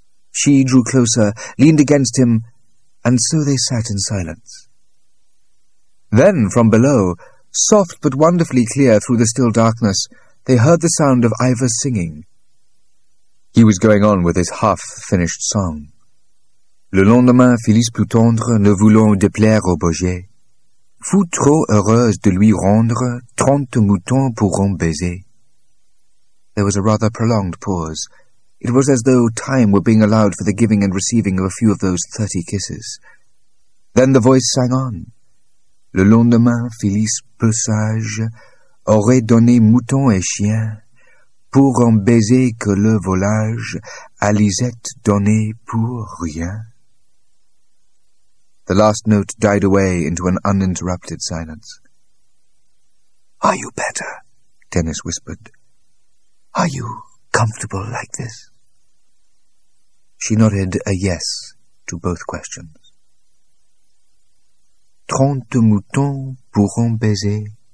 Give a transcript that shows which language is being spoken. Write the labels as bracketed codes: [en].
[en] She drew closer, leaned against him, and so they sat in silence. Then, from below, soft but wonderfully clear through the still darkness, they heard the sound of Ivor singing. He was going on with his half-finished song. [fr] Le lendemain, Félix plus tendre, ne voulant déplaire au berger, fut trop heureuse de lui rendre 30 moutons pour un baiser. [en] There was a rather prolonged pause. It was as though time were being allowed for the giving and receiving of a few of those 30 kisses. Then the voice sang on. [fr] Le lendemain, Félix, peu sage, aurait donné mouton et chien pour un baiser que le volage à Lisette donnait pour rien. [en] The last note died away into an uninterrupted silence. Are you better? Dennis whispered. Are you comfortable like this? She nodded a yes to both questions. [fr] Trente moutons pour un baiser.